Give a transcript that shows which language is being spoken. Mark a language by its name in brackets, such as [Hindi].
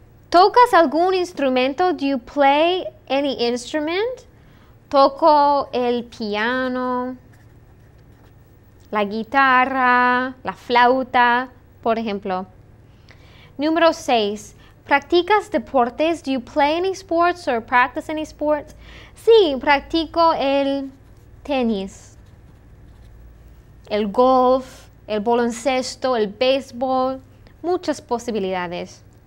[Spanish] ¿Tocas algún instrumento? [English] Do you play any instrument? [Spanish] Toco el piano, la guitarra, la flauta, por ejemplo. Número 6. ¿Practicas deportes? [English] Do you play any sports or practice any sports? [Spanish] Sí, practico el tenis, el golf, el baloncesto, el béisbol, muchas posibilidades.